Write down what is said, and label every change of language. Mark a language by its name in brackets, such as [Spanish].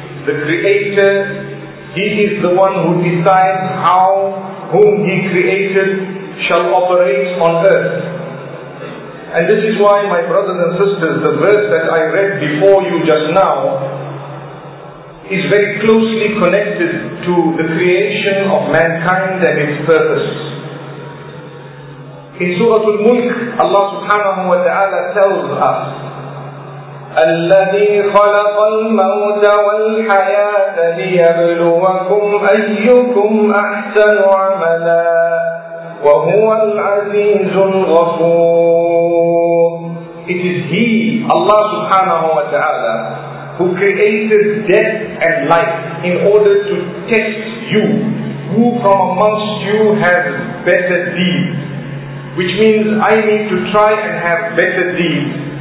[English] The Creator, He is the one who decides how whom He created shall operate on earth. And this is why, my brothers and sisters, the verse that I read before you just now is very closely connected to the creation of mankind and its purpose. In Surah Al-Mulk, Allah subhanahu wa ta'ala tells us, [Arabic] الَّذِي خَلَقَ الْمَوْتَ وَالْحَيَاةَ لِيَبْلُوَكُمْ أَيُّكُمْ أَحْسَنُ عَمَلًا وَهُوَ الْعَزِيزُ الْغَفُورُ. [English] It is He, Allah subhanahu wa ta'ala, who created death and life in order to test you, who from amongst you has better deeds. Which means I need to try and have better deeds.